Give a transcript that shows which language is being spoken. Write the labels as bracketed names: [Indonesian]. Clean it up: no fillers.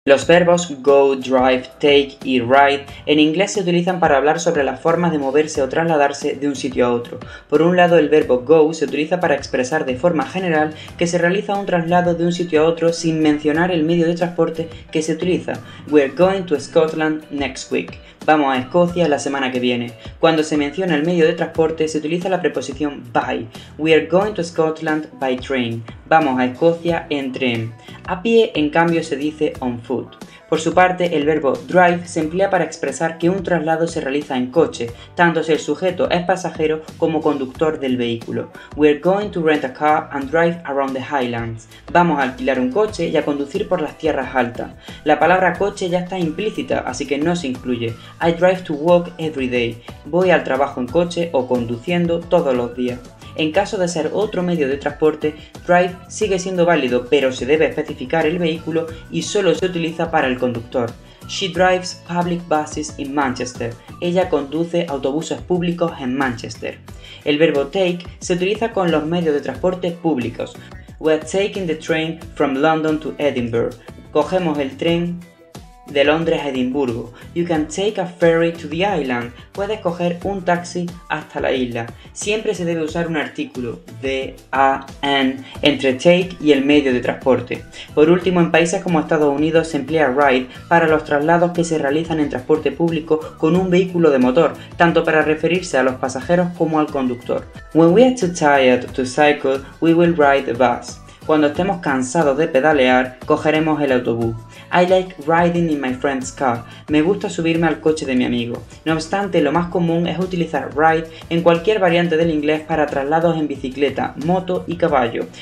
[Spanish] Los verbos go, drive, take y ride en inglés se utilizan para hablar sobre las formas de moverse o trasladarse de un sitio a otro. Por un lado, el verbo go se utiliza para expresar de forma general que se realiza un traslado de un sitio a otro sin mencionar el medio de transporte que se utiliza. [English] We're going to Scotland next week. [Spanish] Vamos a Escocia la semana que viene. Cuando se menciona el medio de transporte, se utiliza la preposición by. [English] We are going to Scotland by train. [Spanish] Vamos a Escocia en tren. A pie, en cambio, se dice on foot. Por su parte, el verbo drive se emplea para expresar que un traslado se realiza en coche, tanto si el sujeto es pasajero como conductor del vehículo. [English] We're going to rent a car and drive around the Highlands. [Spanish] Vamos a alquilar un coche y a conducir por las tierras altas. La palabra coche ya está implícita, así que no se incluye. [English] I drive to work every day. [Spanish] Voy al trabajo en coche o conduciendo todos los días. En caso de ser otro medio de transporte, drive sigue siendo válido, pero se debe especificar el vehículo y solo se utiliza para el conductor. [English] She drives public buses in Manchester. [Spanish] Ella conduce autobuses públicos en Manchester. El verbo take se utiliza con los medios de transporte públicos. [English] We're taking the train from London to Edinburgh. [Spanish] Cogemos el tren de Londres a Edimburgo. [English] You can take a ferry to the island. [Spanish] Puedes coger un taxi hasta la isla. Siempre se debe usar un artículo the, a, an entre take y el medio de transporte. Por último, en países como Estados Unidos se emplea ride para los traslados que se realizan en transporte público con un vehículo de motor, tanto para referirse a los pasajeros como al conductor. [English] When we are too tired to cycle, we will ride the bus. [Spanish] Cuando estemos cansados de pedalear, cogeremos el autobús. [English] I like riding in my friend's car. [Spanish] Me gusta subirme al coche de mi amigo. No obstante, lo más común es utilizar ride en cualquier variante del inglés para traslados en bicicleta, moto y caballo.